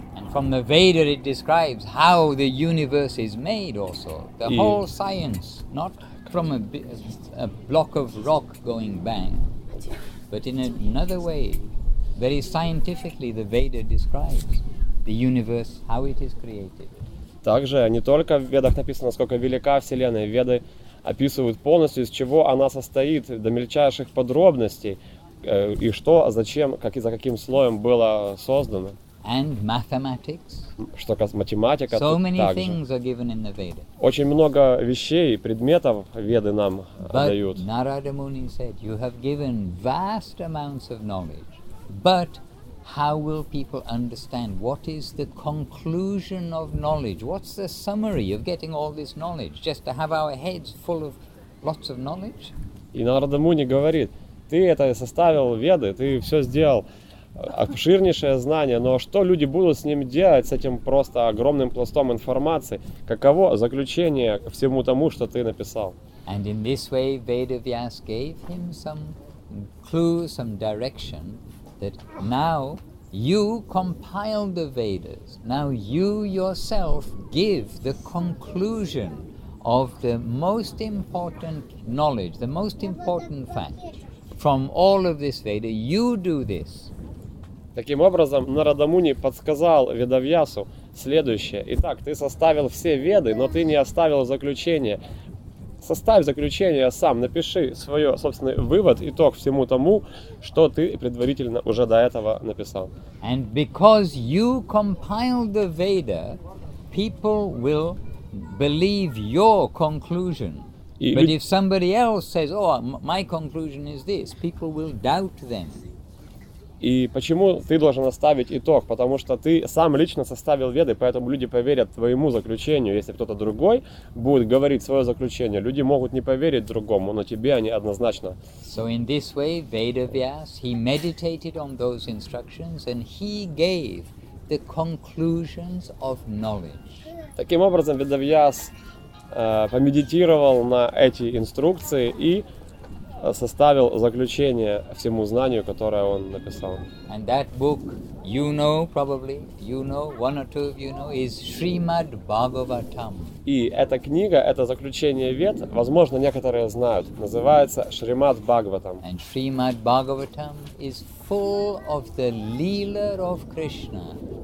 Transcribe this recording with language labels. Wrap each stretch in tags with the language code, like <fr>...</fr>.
<en>And from the Veda it describes how the universe is made also. The whole science, not from a block of rock going bang, but in another way, very scientifically the Veda describes the universe, how it is created.</en> <ru>Также не только в Ведах написано, сколько велика Вселенная, Веды описывают полностью, из чего она состоит, до мельчайших подробностей, и что, зачем, как и за каким слоем было создано.</ru> <en>And mathematics.</en> <ru>Что касается математики,</ru> <en>so many things are given in the Veda.</en> <ru>Очень много вещей, предметов Веды нам дают.</ru> <en>But Narada Muni said, you have given vast amounts of knowledge, but how will people understand? What is the conclusion of knowledge? What's the summary of getting all this knowledge? Just to have our heads full of lots of knowledge?</en> <ru>И Нарада Муни говорит: ты это составил Веды, ты все сделал, обширнейшее знание, но что люди будут с ним делать, с этим просто огромным пластом информации? Каково заключение всему тому, что ты написал?</ru> <en>And in this way, Vedavyas gave him some clue, some direction, that now you compile the Vedas, now you yourself give the conclusion of the most important knowledge, the most important fact from all of this Veda, you do this.</en> <ru>Таким образом, Нарада Муни подсказал Ведавьясу следующее. Итак, ты составил все Веды, но ты не оставил заключение. Составь заключение сам, напиши свой собственный вывод, итог всему тому, что ты предварительно уже до этого написал.</ru> <en>And because you compiled the Veda, people will believe your conclusion. But if somebody else says, oh, my conclusion is this, people will doubt them.</en> <ru>И почему ты должен оставить итог? Потому что ты сам лично составил Веды, поэтому люди поверят твоему заключению. Если кто-то другой будет говорить свое заключение, люди могут не поверить другому, но тебе они однозначно.</ru> <en>So in this way, Vedavyas, he meditated on those instructions and he gave the conclusions of knowledge.</en> <ru>Таким образом, Ведавьяс помедитировал на эти инструкции и составил заключение всему знанию, которое он написал.</ru> <en>And that book, you know, probably, you know, one or two of you know, is Shrimad Bhagavatam.</en> <ru>И эта книга, это заключение Вед, возможно, некоторые знают, называется Шримад Бхагаватам.</ru> <en>And Shrimad Bhagavatam is full of the Leela of Krishna.</en>